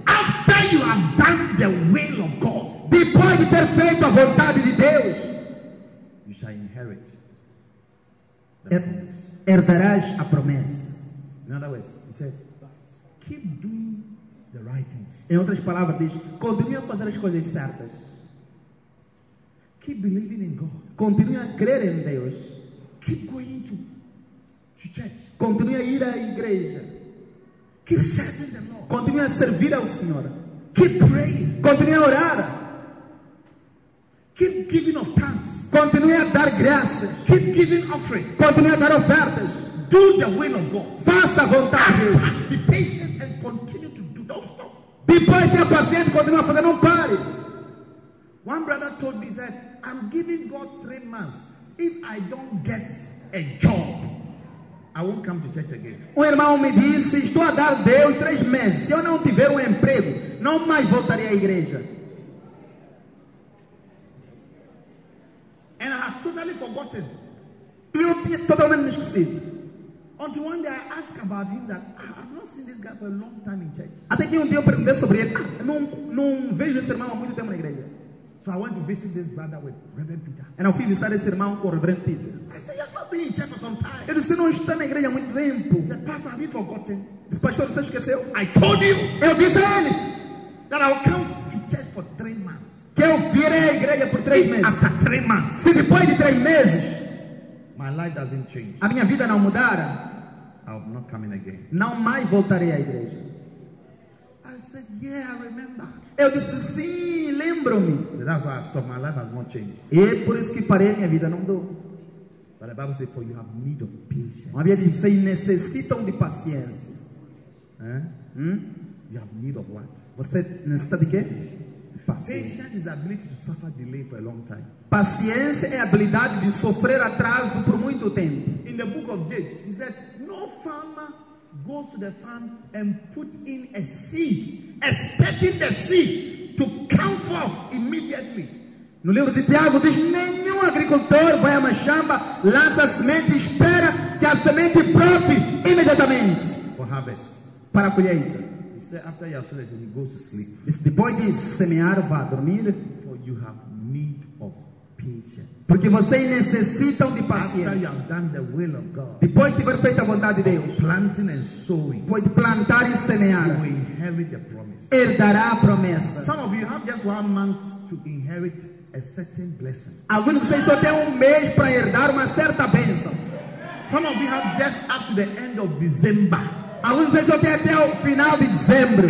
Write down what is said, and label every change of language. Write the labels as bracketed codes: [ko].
[en] After you have done the will of God. [pt] Depois de ter feito a vontade de Deus. [en] You shall inherit [pt] herdarás a promessa. [en] In other words, he said, keep doing the right things. [pt] Em outras palavras, diz, continue a fazer as coisas certas. [en] Keep believing in God. [pt] Continue a crer em Deus. [en] Keep going to church. [pt] Continue a ir à igreja. [en] Keep serving the Lord. [pt] Continue a servir ao Senhor. [en] Keep praying. [pt] Continue a orar. [en] Keep giving of thanks. [pt] Continue a dar graças. [en] Keep giving offerings. [pt] Continue a dar ofertas. [en] Do the will of God. [pt] Faça a vontade de Deus. [en] Be patient and continue to do. Don't stop. [pt] Depois seja paciente, continue a fazer, não pare. [en] One brother told me, he said, I'm giving God 3 months. If I don't get a job, I won't come to church again. [pt] Um irmão me disse, estou a dar Deus 3 meses. Se eu não tiver emprego, não mais voltarei à igreja. [en] And I have totally forgotten. [pt] Eu tinha totalmente esquecido. [en] Until one day I asked about him that I've not seen this guy for a long time in church. [pt] Até que dia eu perguntei sobre ele. Não vejo esse irmão há muito tempo na igreja. [en] So I went to visit this brother with Reverend Peter. [pt] And eu fui visitar esse irmão com o Reverend Peter. [en] I said, you have not been in church for some time. [pt] Ele disse, não está na igreja há muito tempo. [en] He said, Pastor, have you forgotten? [pt] Disse, pastor, você esqueceu? [en] I told you. [pt] Eu disse a ele. [en] That I will come to church for 3 months. [pt] Que eu virei à igreja por 3 meses. [en] After 3 months. [pt] Se depois de 3 meses. [en] My life doesn't change. [pt] A minha vida não mudara. [en] I'm not coming again. [pt] Não mais voltarei à igreja. [en] I said, yeah, I remember. [pt] Eu disse, sim, lembro-me. [en] So that's why I stopped. My life has not changed. [pt] E por isso que parei, minha vida não mudou. [en] But the Bible says, for you have need of patience. [pt] A Bíblia diz, vocês necessitam de paciência. [en] You have need of what? [pt] Você necessita de quê? [en] Patience is the ability to suffer delay for a long time. [pt] Paciência é a habilidade de sofrer atraso por muito tempo. [en] In the book of James, he said, no farmer goes to the farm and put in a seed, expecting the seed to come forth immediately. [pt] No livro de Tiago diz, nenhum agricultor vai a uma chamba, lança a semente e espera que a semente brote imediatamente. [en] For harvest. [pt] Para a colheita. [en] After you have sown, he goes to sleep. [pt] Depois de semear, vá dormir. [en] For you have need of patience. [pt] Porque vocês necessitam de paciência. [en] After you have done the will of God. [pt] Depois de ter feito a vontade de Deus. [en] Planting and sowing. [pt] Depois de plantar e semear. [en] You will inherit the promise. [pt] Herdará a promessa. [en] Some of you have just 1 month to inherit a certain blessing. [pt] Alguns de vocês só têm mês para herdar uma certa bênção. [en] Some of you have just up to the end of December. [pt] Alguns de vocês só têm até o final de dezembro.